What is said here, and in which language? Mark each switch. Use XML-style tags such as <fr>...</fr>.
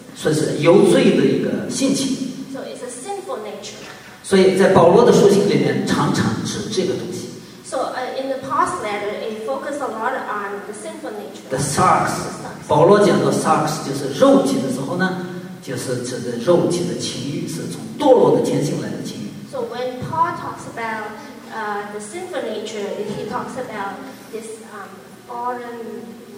<zh>所以是有罪的一个性情。</zh> <en>So it's a sinful nature.</en> <zh>所以在保罗的书信里面常常是这个东西。</zh> <en>So in the Paul's letter, it focused a lot on the sinful nature. The sucks.</en> <zh>保罗讲到 sucks 就是肉体的时候呢，就是指的肉体的情欲是从堕落的天性来的情欲。</zh> <en>So when Paul talks about the sinful nature, he talks about this fallen.</en>